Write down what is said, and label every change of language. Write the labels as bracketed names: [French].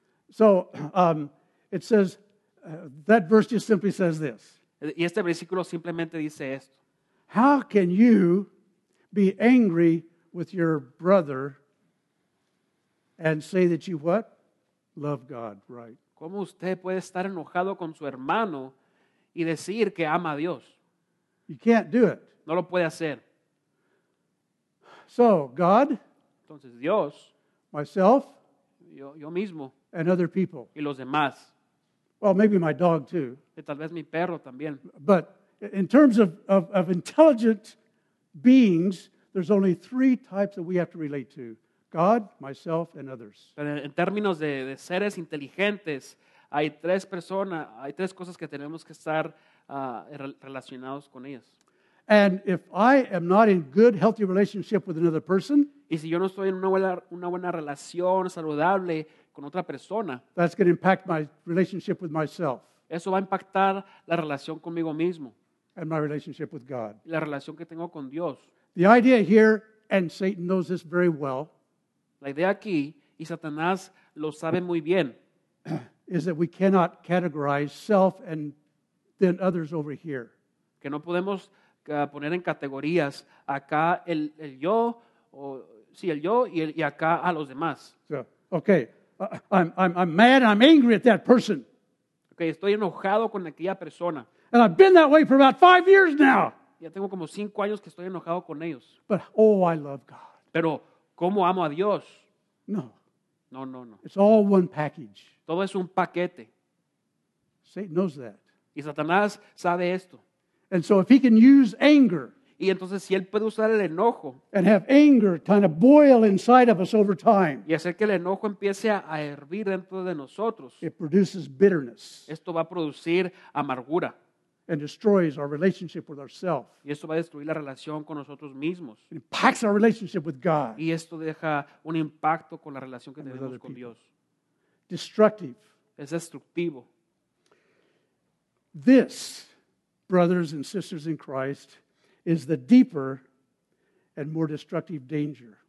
[English] So, it says that verse just simply says this. [Spanish] Y este versículo simplemente dice esto. [English] How can you be angry with your brother and say that you what? Love God, right? [Spanish] ¿Cómo usted puede estar enojado con su hermano y decir que ama a Dios? [English] You can't do it. [Spanish] No lo puede hacer. [English] So, God, [Spanish] entonces Dios, [English] myself, [Spanish] yo mismo, [English] and other people, [Spanish] y los demás. [English] Well, maybe my dog too. [Spanish] Y tal vez mi perro también. [English] But in terms of intelligent beings, there's only three types that we have to relate to: God, myself, and others. [Spanish] Pero en términos de seres inteligentes, hay tres cosas que tenemos que estar relacionados con ellas. [English] And if I am not in good, healthy relationship with another person, [Spanish] y si yo no estoy en una buena relación saludable con otra persona, [English] that's going to impact my relationship with myself. [Spanish] Eso va a impactar la relación conmigo mismo. [English] And my relationship with God. [Spanish] La relación que tengo con Dios. [English] The idea here, and Satan knows this very well, [Spanish] la idea aquí, y Satanás lo sabe muy bien, [English] is that we cannot categorize self and then others over here. [Spanish] Que no podemos poner en categorías acá el yo, o sí, el yo y acá a los demás. [English] So, okay, I'm mad, I'm angry at that person. [Spanish] Okay, estoy enojado con aquella persona. [English] And I've been that way for about 5 years now. [Spanish] Ya tengo como 5 años que estoy enojado con ellos. [English] But, oh, I love God. [Spanish] Pero, ¿cómo amo a Dios? [English] No. [Spanish] No, no, no. [English] It's all one package. [Spanish] Todo es un paquete. [English] Satan knows that. [Spanish] Y Satanás sabe esto. [English] And so if he can use anger, [Spanish] y entonces si él puede usar el enojo, [English] and have anger kind of boil inside of us over time, [Spanish] y hacer que el enojo empiece a hervir dentro de nosotros, [English] it produces bitterness. [Spanish] Esto va a producir amargura. [English] And destroys our relationship with ourselves. [Spanish] Y esto va a destruir la relación con nosotros mismos. [English] It impacts our relationship with God. [Spanish] Y esto deja un impacto con la relación que tenemos con Dios. [English] Destructive. [Spanish] Es destructivo. [English] This, brothers and sisters in Christ, is the deeper and more destructive danger.